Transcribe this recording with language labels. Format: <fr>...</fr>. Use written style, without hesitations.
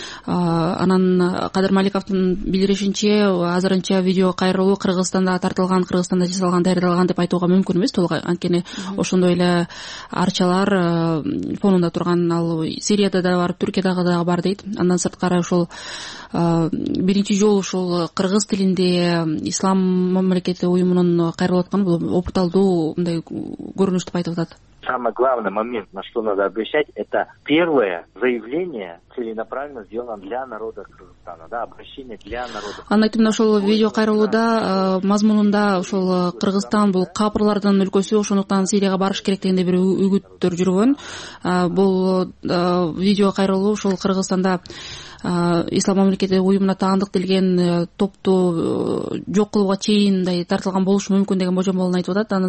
<ky>Анан Кадыр Маликовдун билдиришинче, азырынча видео кайрылуу Кыргызстанда тартылган, Кыргызстанда жасалган, даярдалган деп айтууга мүмкүн эмес толук, анткени ошондой эле арчалар фонунда турган. Ал Сирияда да бар, Түркиядагы да бар дейт. Андан сырткары ушул биринчи жолу ушул кыргыз тилинде Ислам мамлекети уюмунун кайрылып аткан бул опыталдуу мындай көрүнүш деп айтып атат.</ky> <ru>Самый главный момент, на что надо обращать, это первое заявление целенаправленно сделано для народа Кыргызстана, да, обращение для народа.</ru> <ky>Анын айтымында ошол видео кайрылууда мазмунунда ошол Кыргызстан бул капырлардын өлкөсү, ошондуктан Сирияга барыш керек дегенде бир үгүттөр жүргөн. Бул видео кайрылуу ушул Кыргызстанда Ислам мамлекети уюмуна таандык делген топту жок кылууга чейин мындай тартылган болушу мүмкүн деген божомолун айтып атат.</ky>